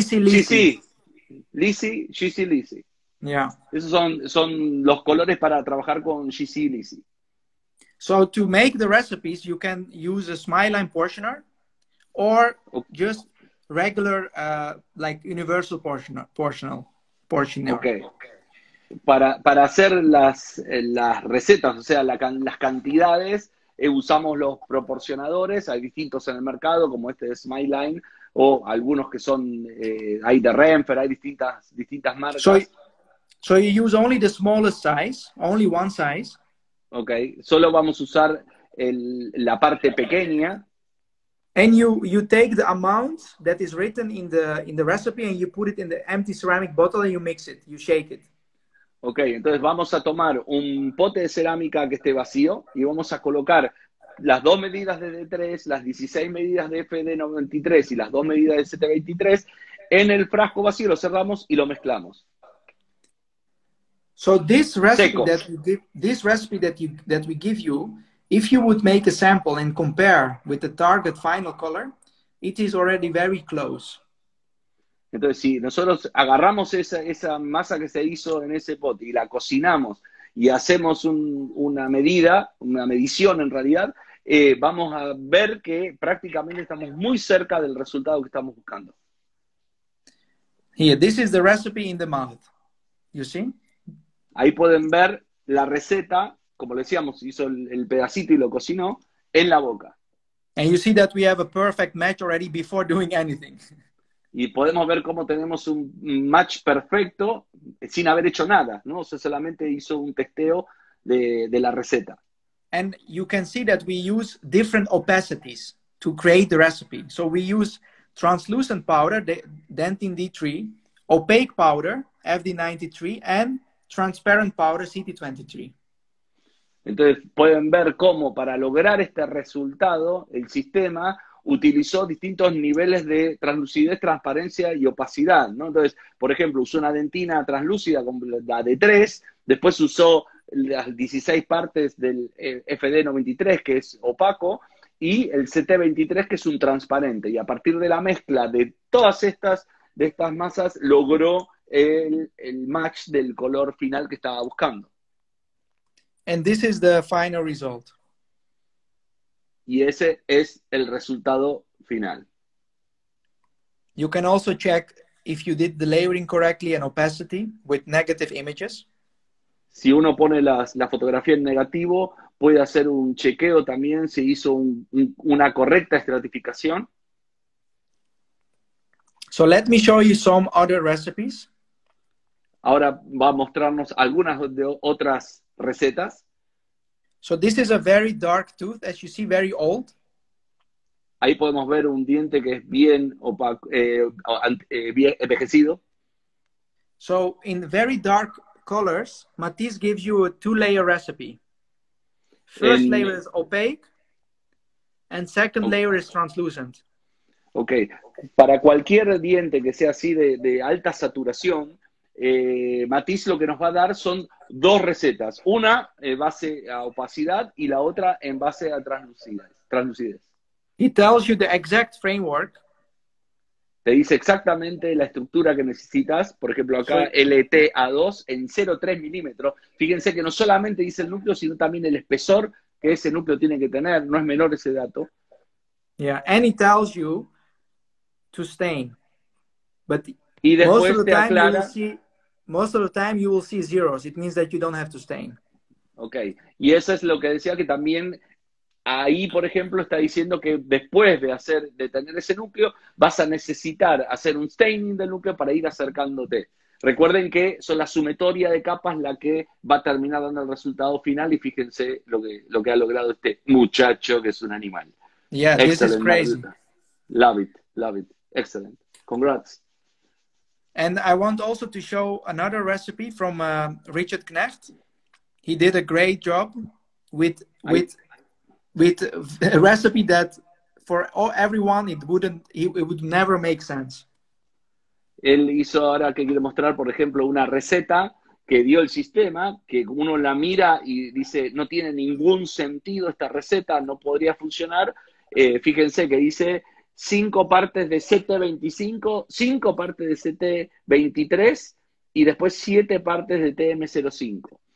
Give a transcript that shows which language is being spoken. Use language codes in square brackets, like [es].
[en] GC Lisi. Yeah. [es] Esos son los colores para trabajar con GC Lisi. [en] So to make the recipes, you can use a smile line portioner or just regular like universal portioner. Okay. [es] Para hacer las recetas, o sea, las cantidades, usamos los proporcionadores, hay distintos en el mercado, como este de Smileline, o algunos que son, hay de Renfer, hay distintas marcas. [en] So you use only the smallest size, only one size. [es] Okay, solo vamos a usar la parte pequeña. [en] And you take the amount that is written in the recipe and you put it in the empty ceramic bottle and you mix it, you shake it. [es] Okay, entonces vamos a tomar un pote de cerámica que esté vacío y vamos a colocar las dos medidas de D3, las 16 medidas de FD93 y las dos medidas de CT23 en el frasco vacío, lo cerramos y lo mezclamos. [en] So this recipe seco. That we give, this recipe that we give you, if you would make a sample and compare with the target final color, it is already very close. [es] Entonces, si nosotros agarramos esa masa que se hizo en ese pote y la cocinamos y hacemos una medición en realidad, vamos a ver que prácticamente estamos muy cerca del resultado que estamos buscando. [en] Here, this is the recipe in the mouth. You see? [es] Ahí pueden ver la receta, como le decíamos, hizo el pedacito y lo cocinó en la boca. [en] And you see that we have a perfect match already before doing anything. [es] Y podemos ver cómo tenemos un match perfecto sin haber hecho nada, ¿no? O sea, solamente hizo un testeo de la receta. [en] And you can see that we use different opacities to create the recipe. So we use translucent powder, dentin D3, opaque powder, FD93, and transparent powder, CT23. [es] Entonces pueden ver cómo para lograr este resultado, el sistema utilizó distintos niveles de translucidez, transparencia y opacidad, ¿no? Entonces, por ejemplo, usó una dentina translúcida con la D3, después usó las 16 partes del FD93, que es opaco, y el CT23, que es un transparente. Y a partir de la mezcla de todas estas masas, logró el match del color final que estaba buscando. [en] And this is the final result. [es] Y ese es el resultado final. [en] You can also check if you did the layering correctly and opacity with negative images. [es] Si uno pone la fotografía en negativo, puede hacer un chequeo también si hizo una correcta estratificación. [en] So let me show you some other recipes. [es] Ahora va a mostrarnos algunas de otras recetas. [en] So this is a very dark tooth, as you see, very old. [es] Ahí podemos ver un diente que es bien opaco, bien envejecido. [en] So in very dark colors, Matisse gives you a two-layer recipe. First layer is opaque, and second layer is translucent. Okay. [es] Para cualquier diente que sea así de alta saturación, Matisse lo que nos va a dar son dos recetas, una en base a opacidad y la otra en base a translucidez. [en] He tells you the exact framework. [es] Te dice exactamente la estructura que necesitas, por ejemplo acá LTA2 en 0.3 milímetros. Fíjense que no solamente dice el núcleo, sino también el espesor que ese núcleo tiene que tener, no es menor ese dato. [en] Yeah, and he tells you to stain. But [es] y después te aclara... [en] Most of the time you will see zeros. It means that you don't have to stain. Okay. [es] Y eso es lo que decía que también ahí, por ejemplo, está diciendo que después de tener ese núcleo, vas a necesitar hacer un staining del núcleo para ir acercándote. Recuerden que son la sumatoria de capas la que va a terminar dando el resultado final y fíjense lo que ha logrado este muchacho que es un animal. [en] Yeah, excellent. This is crazy. Love it. Excellent. Congrats. And I want also to show another recipe from Richard Knecht. He did a great job with a recipe that for everyone it would never make sense. [es] Él hizo ahora que quiere mostrar, por ejemplo, una receta que dio el sistema, que uno la mira y dice, no tiene ningún sentido esta receta, no podría funcionar. Fíjense que dice... 5 partes de CT25, 5 partes de CT23 y después 7 partes de TM05.